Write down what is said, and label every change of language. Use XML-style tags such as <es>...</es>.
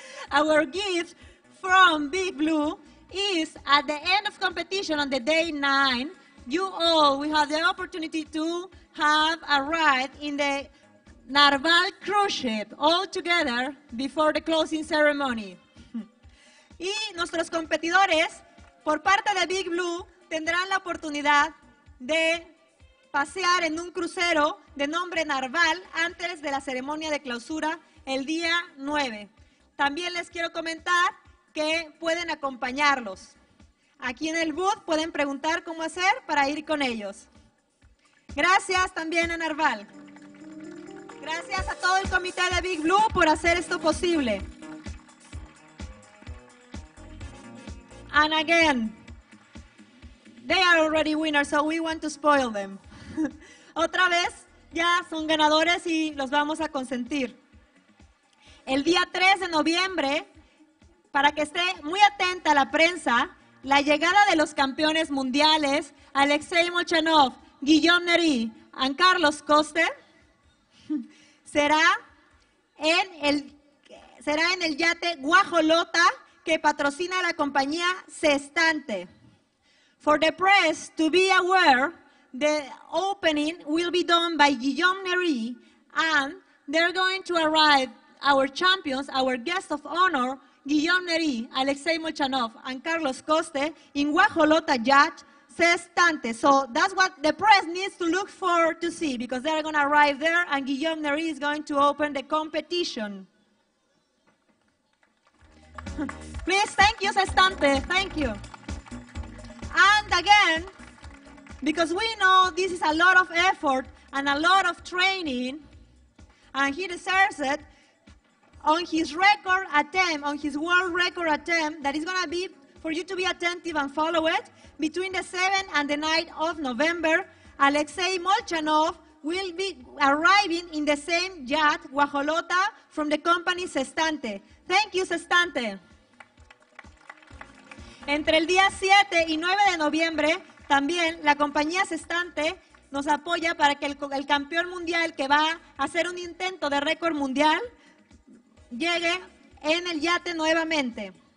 <en>our gift from Big Blue is at the end of competition on the day 9, you all will have the opportunity to have a ride in the Narval cruise ship all together before the closing ceremony.</en> <es>Y nuestros competidores, por parte de Big Blue, tendrán la oportunidad de pasear en un crucero de nombre Narval antes de la ceremonia de clausura el día 9. También les quiero comentar que pueden acompañarlos. Aquí en el booth pueden preguntar cómo hacer para ir con ellos. Gracias también a Narval. Gracias a todo el comité de Big Blue por hacer esto posible.</es> <en>And again, they are already winners, so we want to spoil them.</en> <es>Otra vez, ya son ganadores y los vamos a consentir. El día 3 de noviembre, para que esté muy atenta la prensa, la llegada de los campeones mundiales, Alexei Molchanov, Guillaume Nery y Carlos Coste, será en el yate Guajolota, que patrocina la compañía Sestante.</es> <en>For the press to be aware, the opening will be done by Guillaume Nery, and they're going to arrive, our champions, our guests of honor, Guillaume Nery, Alexei Molchanov, and Carlos Coste, in Guajolota yacht Sestante. So that's what the press needs to look forward to see, because they're going to arrive there, and Guillaume Nery is going to open the competition. Please, thank you, Sestante, thank you. And again, because we know this is a lot of effort and a lot of training, and he deserves it, on his record attempt, on his world record attempt, that is going to be for you to be attentive and follow it. Between the 7th and the 9th of November, Alexei Molchanov will be arriving in the same yacht, Guajolota, from the company Sestante. Thank you, Sestante.</en> <es>Entre el día 7 y 9 de noviembre, también la compañía Sestante nos apoya para que el campeón mundial que va a hacer un intento de récord mundial llegue en el yate nuevamente.</es>